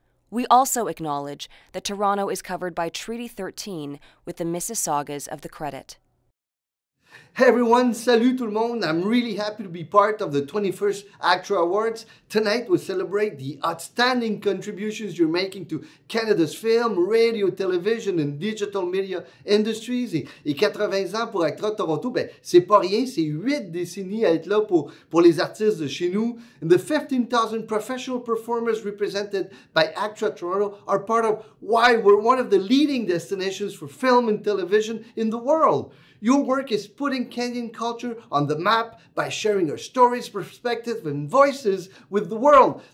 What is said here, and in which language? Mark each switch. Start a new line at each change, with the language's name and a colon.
English: We also acknowledge that Toronto is covered by Treaty 13 with the Mississaugas of the Credit. Hey everyone,
French: salut tout le monde.
English: I'm really happy to be part of the 21st ACTRA Awards. Tonight we'll celebrate the outstanding contributions you're making to Canada's film, radio, television and digital media industries.
French: Et 80 ans pour ACTRA Toronto, ben c'est pas rien, c'est 8 décennies à être là pour les artistes de chez nous.
English: And the 15,000 professional performers represented by ACTRA Toronto are part of why we're one of the leading destinations for film and television in the world. Your work is putting Canadian culture on the map by sharing our stories, perspectives, and voices with the world.